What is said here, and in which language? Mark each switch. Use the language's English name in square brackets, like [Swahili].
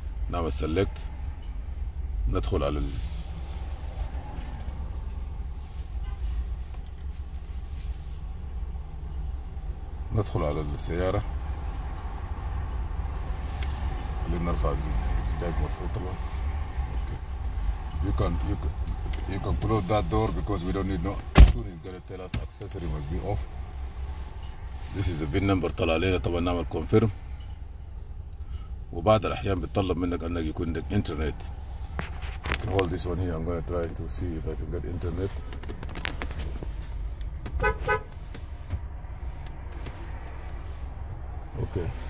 [Arabic] نعمل سلكت، ندخل على ندخل على السيارة. خلينا نرفع الزجاج مرفوع طبعا. [English] You can close that door because we don't need no. Soon he's gonna tell us accessory must be off. This is a VIN number. [Arabic] طلع علينا طبعا. نعمل confirm. وبعض الأحيان بتطلب منك أنك يكون عندك إنترنت. [English] You can hold this one here. I'm gonna try to see if I can get internet. Okay.